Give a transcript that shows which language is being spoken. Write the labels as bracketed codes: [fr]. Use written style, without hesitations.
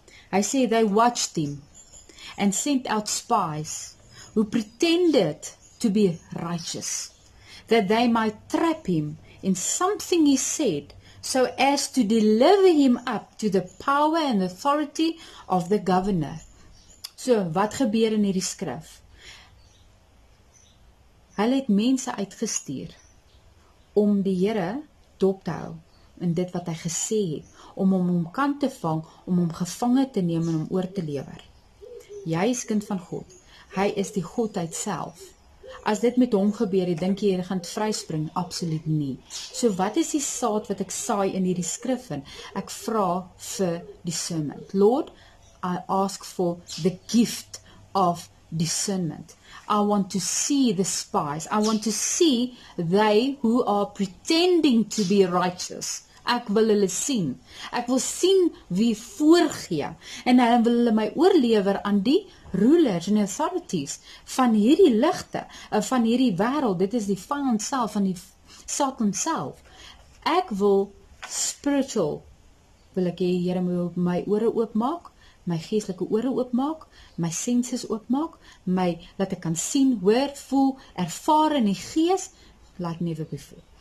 [af] Hy sê, [en] they watched him and sent out spies who pretended to be righteous, that they might trap him in something he said, so as to deliver him up to the power and authority of the governor. [af] So, wat gebeur in hierdie skrif? Hy het mense uitgestuur om die Here dop te hou in dit wat hy gesê het, om hom om kant te vang, om hom gevange te neem en om oor te lewer. Jy is kind van God, hy is die Godheid self. As dit met hom gebeur, jy dink jy hier gaan het vryspring, absoluut nie. So wat is die saad wat ek saai in hierdie skrif in? Ek vra vir discernment. [en] Lord, I ask for the gift of discernment. I want to see the spies. I want to see they who are pretending to be righteous. [af] Ek wil hulle sien. Ek wil sien wie voorgee. En hy wil hulle my oorlewer aan die rulers en authorities van hierdie ligte, van hierdie wêreld. Dit is die vyand self, van die Satan self. Ek wil spiritual, wil ek hê die Here moet my ore oopmaak, my geestelike ore oopmaak, my senses oopmaak, my, dat ek kan sien, hoor, voel, ervaar in die gees, laat never before.